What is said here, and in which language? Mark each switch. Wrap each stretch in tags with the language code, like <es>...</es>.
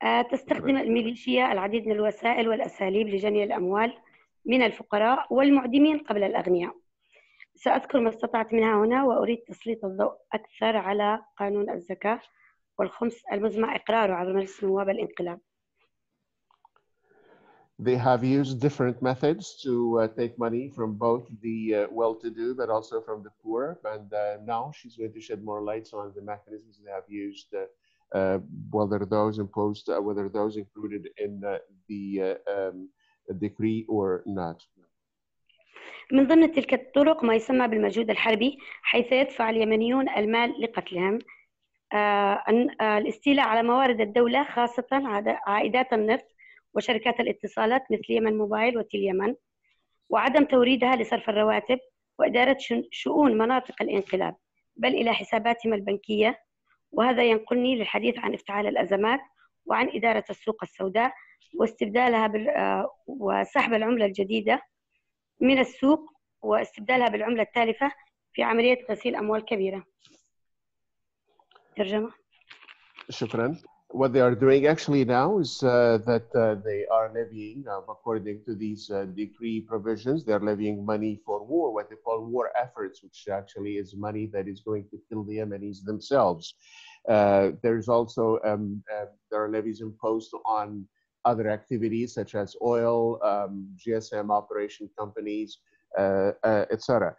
<ar>تستخدم الميليشيا العديد من الوسائل والأساليب لجني الأموال من الفقراء والمعدمين قبل الأغنياء. سأذكر ما استطعت منها هنا، وأريد تسليط الضوء أكثر على قانون الزكاة والخمس المزمع إقراره عبر مجلس النواب الانقلاب.</ar> <en>They have used different methods to take money from both the well-to-do but also from the poor, and now she's going to shed more light on the mechanisms they have used. Whether those included in the decree or not.</en> <ar>من ضمن تلك الطرق ما يسمى بالمجهود الحربي، حيث يدفع اليمنيون المال لقتلهم. الاستيلاء على موارد الدولة، خاصة عائدات النفط وشركات الاتصالات مثل يمن موبايل وتيل يمن، وعدم توريدها لصرف الرواتب وإدارة شؤون مناطق الانقلاب بل إلى حساباتهم البنكية. وهذا ينقلني للحديث عن افتعال الأزمات وعن إدارة السوق السوداء واستبدالها وسحب العملة الجديدة من السوق واستبدالها بالعملة التالفة في عملية غسيل أموال كبيرة. ترجمة. شكرا.</ar> <en>What they are doing actually now is that they are levying, according to these decree provisions, they are levying money for war, what they call war efforts, which actually is money that is going to kill the Yemenis themselves. There's also, there are levies imposed on other activities such as oil, GSM operation companies, etc.</en>